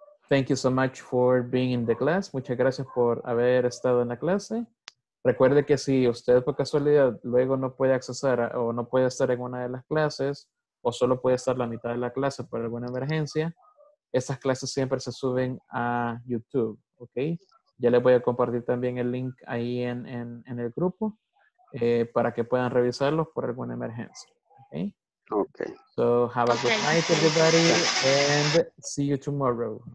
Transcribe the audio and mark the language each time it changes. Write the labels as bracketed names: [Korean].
[English] Thank you so much for being in the class. [Spanish] Muchas gracias por haber estado en la clase. Recuerde que si usted por casualidad luego no puede accesar o no puede estar en una de las clases o solo puede estar la mitad de la clase por alguna emergencia, estas clases siempre se suben a YouTube. Okay. Ya les voy a compartir también el link ahí en el grupo para que puedan revisarlos por alguna emergencia. [English] Okay. Okay. So have a good night, everybody, and see you tomorrow.